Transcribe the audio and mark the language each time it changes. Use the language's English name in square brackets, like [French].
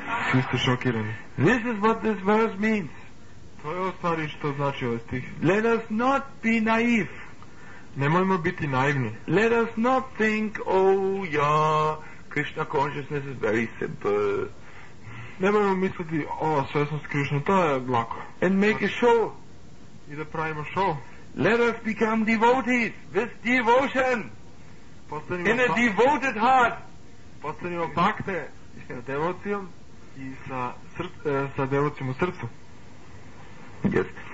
[Serbian] Svi ste šokirani. [English] This is what this verse means. [Serbian] To je o stvari što znači ovaj stih. [English] Let us not be naive. [Serbian] Nemojmo biti naivni. [English] Let us not think, oh yeah, Krishna consciousness is very simple. [Serbian] Nemojmo misliti, o, svjesnost Krishna, to je lako. [English] And make a show. [Serbian] I da pravimo show. [English] Let us become devotees with devotion. [Serbian] Postanimo [English] in a devoted heart. [Serbian] Postanimo bhakte sa devocijom i sa devocijom u srcu. [English] Yes.